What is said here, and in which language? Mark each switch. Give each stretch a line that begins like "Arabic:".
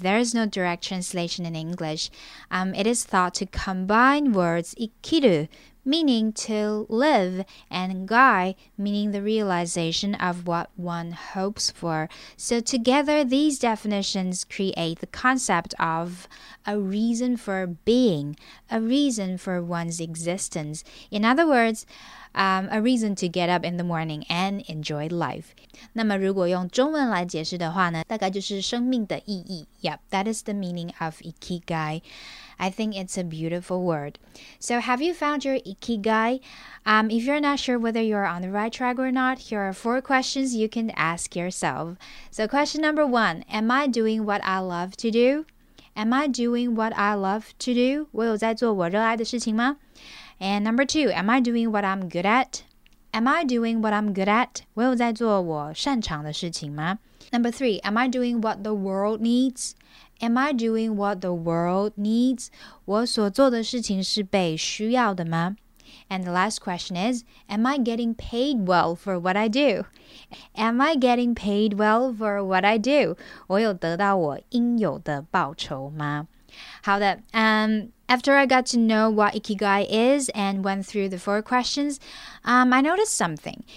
English: There is no direct translation in English. It is thought to combine words ikiru, meaning to live, and gai, meaning the realization of what one hopes for. So together, these definitions create the concept of a reason for being, a reason for one's existence. In other words, a reason to get up in the morning and enjoy life.
Chinese: 那么如果用中文来解释的话呢，大概就是生命的意义。
English: Yep, that is the meaning of ikigai. I think it's a beautiful word. So have you found your ikigai? If you're not sure whether you're on the right track or not, here are four questions you can ask yourself. So question number one, am I doing what I love to do? Am I doing what I love to do?
Chinese: 我有在做我热爱的事情吗？
English: And number two, am I doing what I'm good at? Am I doing what I'm good at?
Chinese: 我有在做我擅长的事情吗?
English: Number three, am I doing what the world needs? Am I doing what the world needs?
Chinese: 我所做的事情是被需要的吗?
English: And the last question is, am I getting paid well for what I do? Am I getting paid well for what I do?
Chinese: 我有得到我应有的报酬吗? 好的,
English: After I got to know what ikigai is and went through the four questions, I noticed something.